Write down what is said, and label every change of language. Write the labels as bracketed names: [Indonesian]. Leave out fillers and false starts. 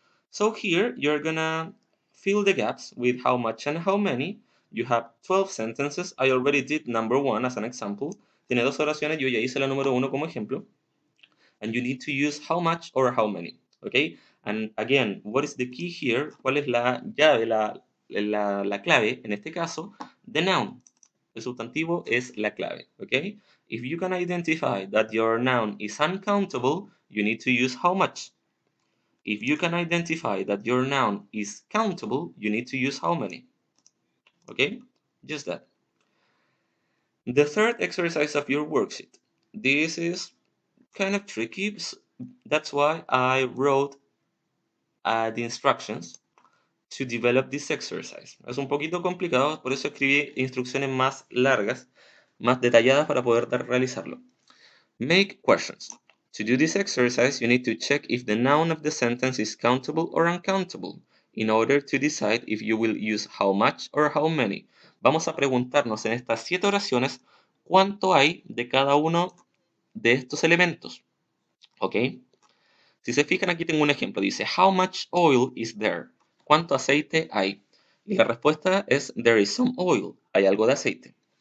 [English] So here you're gonna fill the gaps with how much and how many. You have 12 sentences. I already did number one as an example. [Spanish] Tiene dos oraciones, yo ya hice la número uno como ejemplo. [English] And you need to use how much or how many, okay? And again, what is the key here? [Spanish] ¿Cuál es la llave, la clave, en este caso? [English] The noun. [Spanish] El sustantivo es la clave, okay? [English] If you can identify that your noun is uncountable, you need to use how much. If you can identify that your noun is countable, you need to use how many, okay? Just that. The third exercise of your worksheet. This is kind of tricky. That's why I wrote the instructions to develop this exercise. [Spanish] Es un poquito complicado, por eso escribí instrucciones más largas, más detalladas para poder realizarlo. [English] Make questions. To do this exercise, you need to check if the noun of the sentence is countable or uncountable in order to decide if you will use how much or how many. [Spanish] Vamos a preguntarnos en estas 7 oraciones cuánto hay de cada uno de estos elementos. ¿Ok? Si se fijan, aquí tengo un ejemplo. Dice, [English] how much oil is there? [Spanish] ¿Cuánto aceite hay? Y la respuesta es, [English] there is some oil. [Spanish] Hay algo de aceite.